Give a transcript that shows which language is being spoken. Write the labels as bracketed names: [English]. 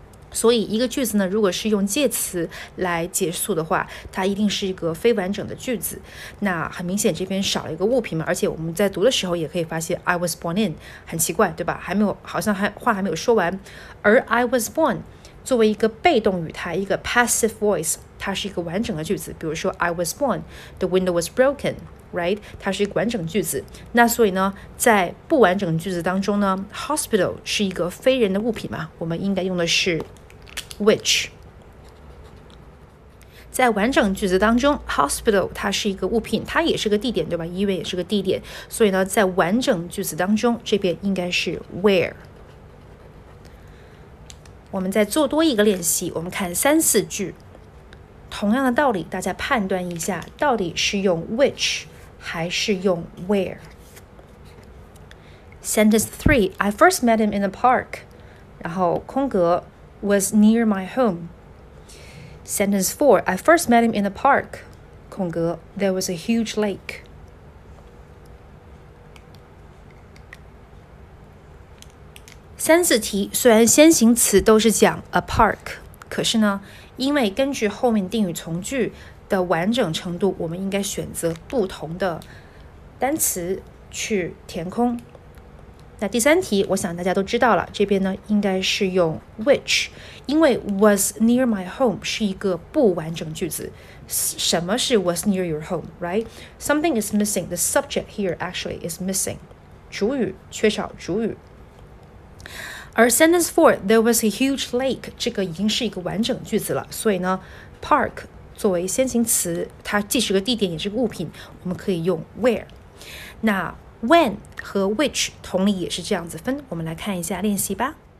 [Chinese] 所以一个句子呢，如果是用介词来结束的话，它一定是一个非完整的句子。那很明显这边少了一个物品嘛，而且我们在读的时候也可以发现 [English] I was born in [Chinese] 很奇怪，对吧，还没有，好像还话还没有说完。而 [English] I was born [Chinese] 作为一个被动语态，一个 [English] passive voice， [Chinese] 它是一个完整的句子。比如说 [English] I was born the window was brokenRight， [Chinese] 它是一个完整句子。那所以呢，在不完整句子当中呢， hospital 是一个非人的物品嘛，我们应该用的是 which。在完整句子当中， hospital 它是一个物品，它也是个地点，对吧，医院也是个地点。所以呢，在完整句子当中，这边应该是 where。我们再做多一个练习，我们看三四句，同样的道理，大家判断一下到底是用 which 还是用 where。 [English] Sentence 3， I first met him in the park， [Chinese] 然后空格 [English] was near my home。 Sentence 4， I first met him in the park， [Chinese] 空格 [English] there was a huge lake。 [Chinese] 三四题，虽然先行词都是讲 a park， 可是呢，因为根据后面定语从句的完整程度，我们应该选择不同的单词去填空。那第三题，我想大家都知道了，这边呢应该是用 which， 因为 [English] was near my home [Chinese] 是一个不完整句子。 [English] 什么是 was near your home， right？ Something is missing， the subject here actually is missing， [Chinese] 主语缺少主语。而 sentence 4， [English] there was a huge lake， [Chinese] 这个已经是一个完整句子了。所以呢， park 作为先行词，它既是个地点也是个物品，我们可以用 where。那 when 和 which 同理也是这样子分，我们来看一下练习吧。